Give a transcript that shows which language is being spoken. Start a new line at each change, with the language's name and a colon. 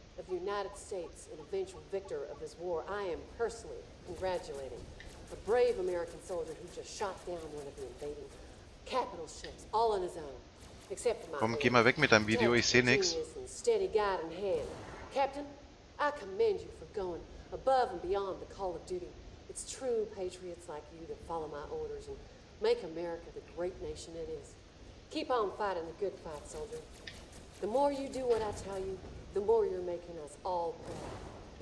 English: United States and eventual victor of this war, I am personally congratulating the brave American soldier who just shot down one of the invading capital ships all on his own. Except for my
German: Komm, geh mal weg mit deinem Video, ich sehe nix.
English: Steady guide in hand. Captain, I commend you for going above and beyond the call of duty. It's true patriots like you that follow my orders and make America the great nation it is. Keep on fighting the good fight, soldier. The more you do what I tell you, the more you're making us all proud.